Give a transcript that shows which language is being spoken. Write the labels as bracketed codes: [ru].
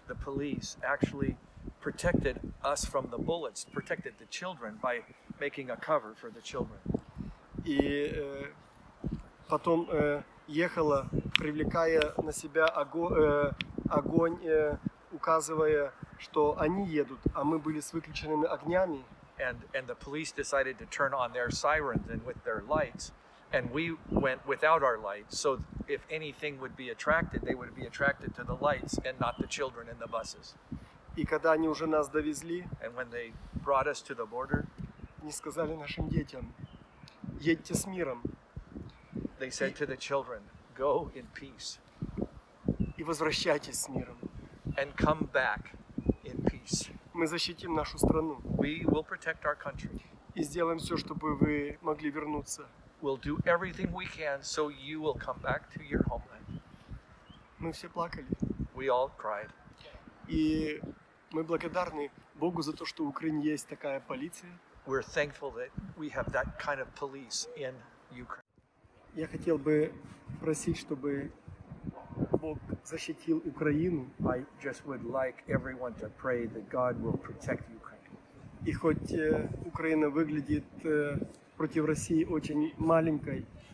[en] The police actually protected us from the bullets, protected the children by making a cover for the children. [ru] И потом ехала, привлекая на себя огонь, указывая, что они едут, а мы были с выключенными огнями. [en] And the police decided to turn on their sirens and with their lights. And we went without our lights, so if anything would be attracted, they would be attracted to the lights and not the children in the buses. [ru] И когда они уже нас довезли, [en] and when they brought us to the border, [ru] они сказали нашим детям, едьте с миром. [en] They said to the children, go in peace. [ru] И возвращайтесь с миром. [en] And come back in peace. [ru] Мы защитим нашу страну. [en] We will protect our country. [ru] И сделаем все, чтобы вы могли вернуться. [en] will do everything we can so you will come back to your homeland. [ru] Мы все плакали. [en] We all cried. [uk] І ми благодарні Богу за те, що в Україні є така поліція. [en] We're thankful that we have that kind of police in Ukraine. [uk] Я хотів би просити, щоб Бог захистив Україну. [en] I just would like everyone to pray that God will protect Ukraine. [uk] І хоч Україна виглядить проти Росії дуже маленькою,